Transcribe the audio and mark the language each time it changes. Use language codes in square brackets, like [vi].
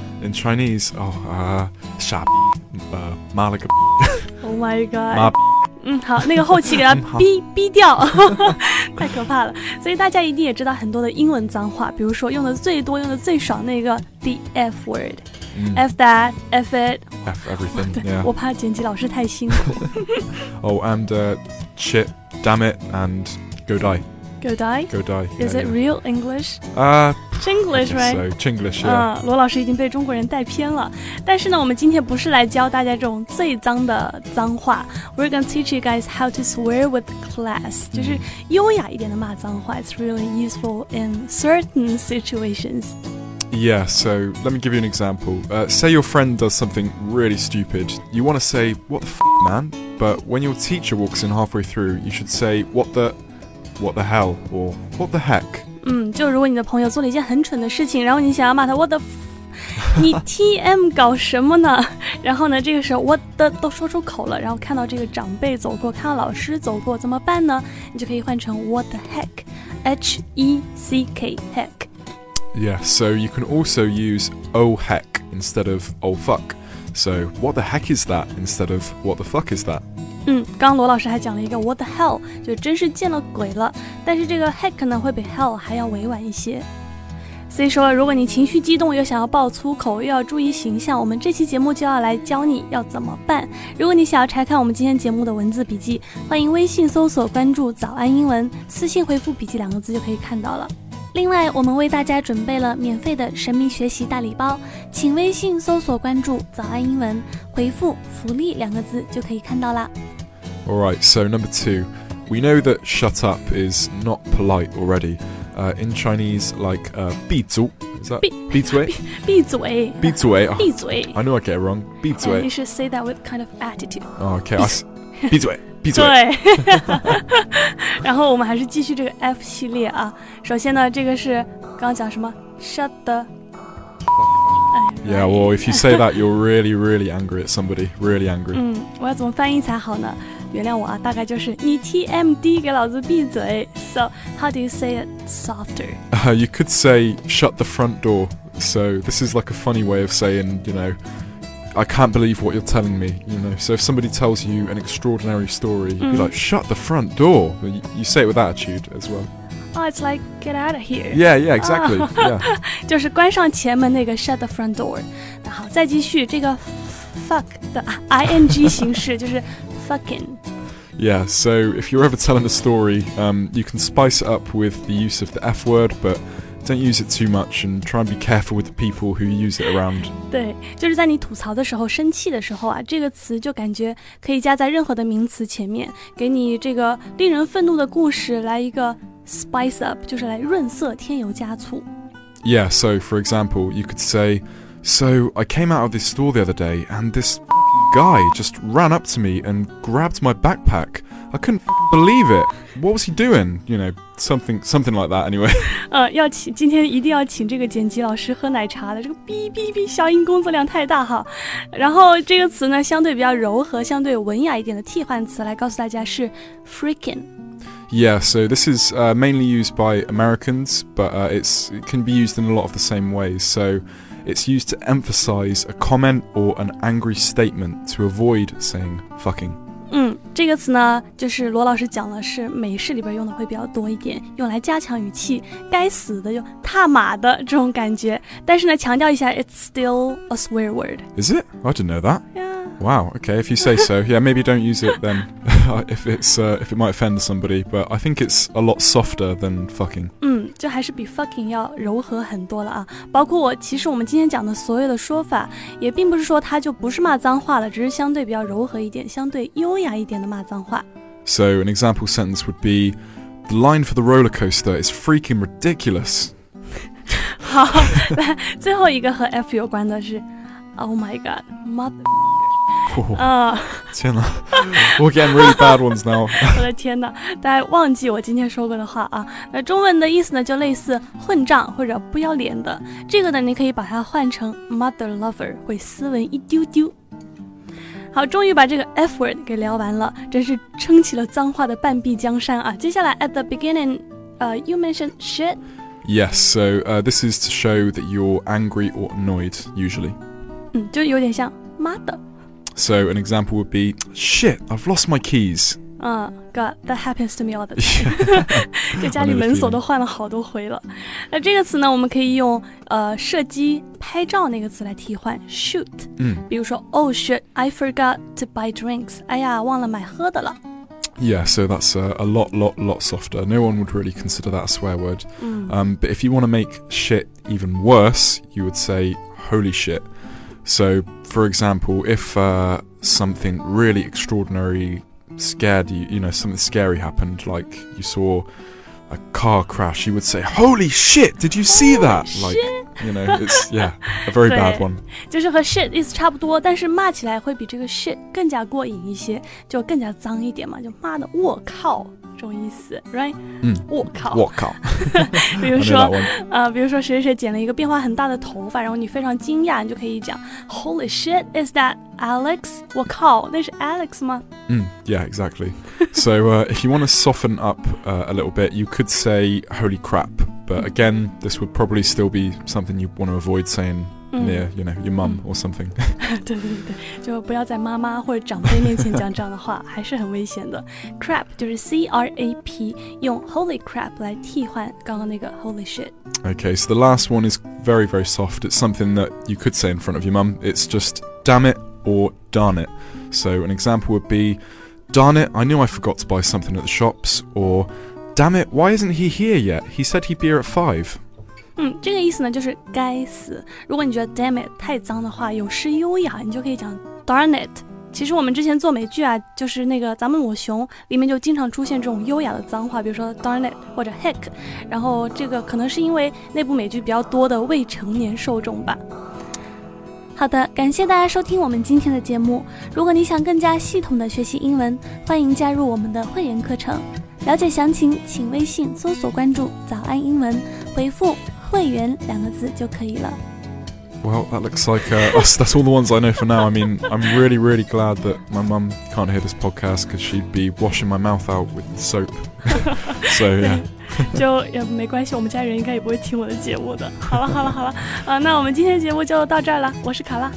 [en] In Chinese, [zh] 傻逼。妈了个 B [en] Oh my god [zh] 妈 B 好，那个后期给他 逼掉太可怕了。所以大家一定也知道很多的英文脏话，比如说用的最多用的最爽那个 [en] The F word、F that F it F everything、yeah. [zh] 我怕剪辑老师太辛苦 [en] Oh and、shit damn it and go dieGo die. Is it real English? Chinglish, right? So, Chinglish, yeah. [zh] 罗老师已经被中国人带偏了。但是呢，我们今天不是来教大家这种最脏的脏话。 [en] We're going to teach you guys how to swear with class. [zh] 就是优雅一点的骂脏话。 [en] It's really useful in certain situations. Yeah, so let me give you an example. Say your friend does something really stupid. You want to say, what the f***, man? But when your teacher walks in halfway through, you should say, what the hell or what the heck? [zh] 就如果你的朋友做了一件很蠢的事情，然后你想要骂他 [en] what the f- [zh] 你 TM 搞什么呢？然后呢，这个时候 [en] what the [zh] 都说出口了，然后看到这个长辈走过，看到老师走过，怎么办呢？你就可以换成 [en] what the heck, H-E-C-K, heck. Yeah, so you can also use oh heck instead of oh fuck. So what the heck is that instead of what the fuck is that? [zh] 刚罗老师还讲了一个 [en] what the hell, [zh] 就真是见了鬼了。但是这个 heck 呢会比 hell 还要委婉一些。所以说如果你情绪激动又想要爆粗口又要注意形象，我们这期节目就要来教你要怎么办。如果你想要查看我们今天节目的文字笔记，欢迎微信搜索关注早安英文，私信回复笔记两个字就可以看到了。另外我们为大家准备了免费的神秘学习大礼包，请微信搜索关注早安英文，回复福利两个字就可以看到了。 [en] Alright, so number two, we know that shut up is not polite already. In Chinese, like, [zh] 闭嘴 [en] is that 闭嘴 [zh] 闭嘴闭嘴闭嘴 [en] I know I get it wrong, [zh] 闭嘴 [en] You should say that with kind of attitude. Oh, okay, [zh] 闭嘴闭嘴对然后我们还是继续这个 F 系列啊。首先呢这个是刚刚讲什么 [en] Shut the Yeah, well, if you say that, you're really, really angry at somebody. Really angry. [zh] 我要怎么翻译才好呢？原谅我啊，大概就是你 TMD 给老子闭嘴。 [en] So, how do you say it softer? You could say shut the front door. So, this is like a funny way of saying, you knowI can't believe what you're telling me, you know. So if somebody tells you an extraordinary story, you'd be like, shut the front door. You say it with attitude as well. Oh, it's like, get out of here. Yeah, yeah, exactly. Yeah. [zh] 就是关上前门那个 [en] shut the front door. [zh] 那好，再继续这个 fuck 的 ing 形式就是 fucking. [en] Yeah, so if you're ever telling a story, you can spice it up with the use of the F word, butDon't use it too much and try and be careful with the people who use it around. [zh] 对，就是在你吐槽的时候、生气的时候啊，这个词就感觉可以加在任何的名词前面，给你这个令人愤怒的故事来一个 [en] spice up, [zh] 就是来润色、添油加醋。 [en] Yeah, so for example, you could say, so I came out of this store the other day and this guy just ran up to me and grabbed my backpack. I couldn't believe it. What was he doing? You know,something like that anyway. [zh] 要请今天一定要请这个剪辑老师喝奶茶的，这个哔哔哔消音工作量太大哈。然后这个词呢相对比较柔和相对文雅一点的替换词来告诉大家是 freaking. [en] Yeah, so this is mainly used by Americans, but it can be used in a lot of the same ways. So it's used to emphasize a comment or an angry statement to avoid saying fucking. [zh] 这个词呢就是罗老师讲的是美式里边用的会比较多一点，用来加强语气，该死的就踏马的这种感觉。但是呢强调一下 [en] it's still a swear word. Is it? I didn't know that. Yeah. Wow, okay, if you say so. Yeah, maybe don't use it then if it might offend somebody, but I think it's a lot softer than fucking. [zh] 就还是比 fucking 要柔和很多了啊。包括我其实我们今天讲的所有的说法也并不是说它就不是骂脏话了，只是相对比较柔和一点，相对优雅一点的骂脏话。 [en] So an example sentence would be, the line for the roller coaster is freaking ridiculous. [zh] 好，最后一个和 F 有关的是 [en] Oh my god, mother [zh] 天哪 [en] We're getting really bad ones now [zh] 我的天哪大家忘记我今天说过的话啊那中文的意思呢就类似混账或者不要脸的这个呢你可以把它换成 [en] mother lover [zh] 会斯文一丢丢好终于把这个 F word 给聊完了真是撑起了脏话的半壁江山啊接下来 [en] at the beginning、you mentioned shit Yes, so、this is to show that you're angry or annoyed usually [zh] 就有点像妈的 [en] So an example would be, shit, I've lost my keys. God, that happens to me all the time. [zh] 就家里门锁都换了好多回了。那这个词呢，我们可以用射击、拍照那个词来替换 shoot.、比如说 ， [en] Oh shit, I forgot to buy drinks. [zh] 哎呀，忘了买喝的了。 [en] Yeah, so that's a lot softer. No one would really consider that a swear word.、but if you want to make shit even worse, you would say holy shit. So, for example, if、something really extraordinary scared you, you know, something scary happened, like you saw a car crash, you would say, holy shit, did you see that? Like, you know, it's, yeah, a very bad one. [zh] 就是和 shit 意思差不多，但是骂起来会比这个 shit 更加过瘾一些，就更加脏一点嘛，就骂的我靠。这种意思 [en] right [zh] 我靠比如说比如说谁谁剪了一个变化很大的头发然后你非常惊讶你就可以讲 [en] holy shit is that Alex [zh] 我靠那是 Alex 吗、 [en] yeah exactly so if you want to soften up、a little bit you could say holy crap but again this would probably still be something you want to avoid saying near you know your mum or something [zh] 对就不要在妈妈或者长辈面前讲这样的话还是很危险的 crap 就是 C-R-A-P 用 [en] holy crap [zh] 来替换刚刚那个 [en] holy shit okay so the last one is very very soft it's something that you could say in front of your mum it's just damn it or darn it so an example would be darn it I knew I forgot to buy something at the shops or damn it why isn't he here yet he said he'd be here at 5 [zh] 这个意思呢就是该死如果你觉得 [en] damn it [zh] 太脏的话有失优雅你就可以讲 [en] darn it [zh] 其实我们之前做美剧啊就是那个咱们我熊里面就经常出现这种优雅的脏话比如说 darn it 或者 heck 然后这个可能是因为那部美剧比较多的未成年受众吧好的感谢大家收听我们今天的节目如果你想更加系统的学习英文欢迎加入我们的会员课程了解详情请微信搜索关注早安英文回复会员两个字就可以了 [en] Well, that looks like that's all the ones I know for now I mean, I'm really, really glad that my mum can't hear this podcast because she'd be washing my mouth out with soap So, yeah [zh] 就也没关系我们家人应该也不会听我的节目的好了好了好了、那我们今天节目就到这儿了我是卡拉